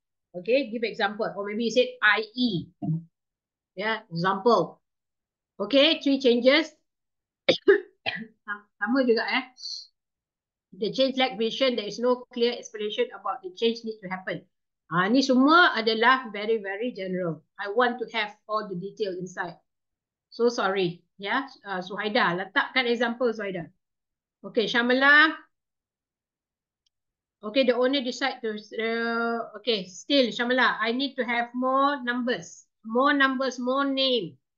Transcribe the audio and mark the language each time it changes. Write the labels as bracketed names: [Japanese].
[English] Okay, give example. Or maybe you said IE. Yeah, example. Okay, three changes. [Malay] Sama juga eh. [English] The change lack vision. There is no clear explanation about the change need to happen. [Malay] Ni semua adalah [English] very, very general. I want to have all the detail inside. So sorry. Yeah, Suhaida. Letakkan example, Suhaida. Okay, Syamala. Okay, the owner decide to... okay, still, Syamala. I need to have more numbers. More numbers, more name.